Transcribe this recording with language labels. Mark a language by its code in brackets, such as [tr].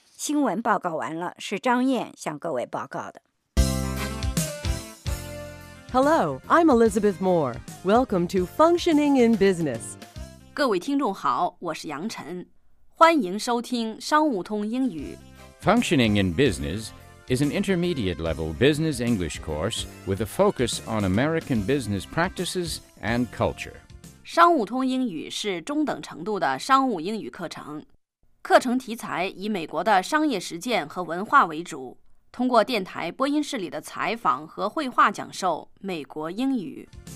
[zh] 新闻报告完了，是张燕向各位报告的。 [en] Hello, I'm Elizabeth Moore. Welcome to Functioning in Business. [zh] 各位听众好，我是杨晨，欢迎收听商务通英语。 [en] Functioning in Business is an intermediate level business English course with a focus on American business practices and culture. [zh] 商务通英语是中等程度的商务英语课程，课程题材以美国的商业实践和文化为主，通过电台播音室里的采访和绘画讲授美国英语。